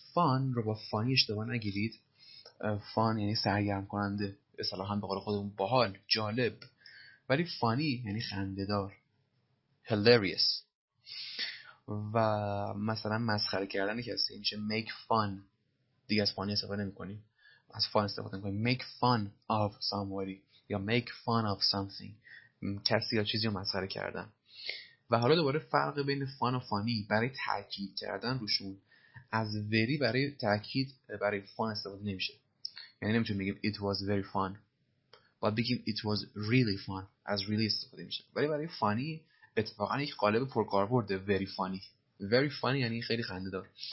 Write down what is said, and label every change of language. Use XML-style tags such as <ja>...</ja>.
<fa>Fun رو با funny اشتباه نگیرید. Fun یعنی سرگرم کننده، اصطلاحا به قول خودمون باحال، جالب. ولی funny یعنی خنده‌دار، hilarious. و مثلا مسخره کردن کسی میشه make fun. دیگه از funny استفاده نمی‌کنیم، از fun استفاده می‌کنیم.</fa> <en>Make fun of somebody</en> <fa>یا</fa> <en>make fun of something،</en> <fa>کسی یا چیزی رو مسخره کردن. و حالا دوباره فرق بین fun و funny برای تاکید کردن روشون، از very برای تاکید برای fun استفاده نمیشه. یعنی نمیتونیم بگیم</fa> <en>it was very fun،</en> <fa>باید بگیم</fa> <en>it was really fun،</en> <fa>از really استفاده میشه. ولی برای funny اتفاقا یک قالب پرکاربرد</fa> <en>very funny.</en> <fa>very funny یعنی خیلی خنده دار.</fa>